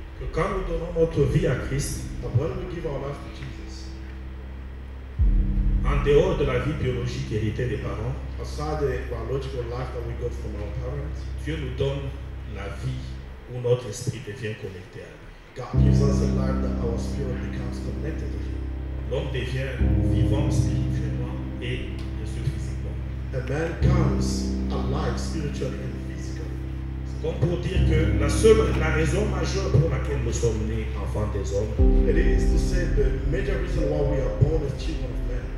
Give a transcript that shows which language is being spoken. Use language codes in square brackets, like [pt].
[fr] que quand nous donnons notre vie à Christ, [en] that when we give our life to Jesus, [fr] en dehors de la vie biologique héritée des parents, [en] aside the biological life that we got from our parents, [fr] Dieu nous donne la vie où notre esprit devient connecté à lui. [en] God gives us a life that our spirit becomes connected to Him. [fr] L'homme devient vivant spirituellement et bien sûr physiquement. [en] A man comes alive spiritually and physically. [fr] C'est comme pour dire que la raison majeure pour laquelle nous sommes nés enfants des hommes, [en] it is to say the major reason why we are born as children of men,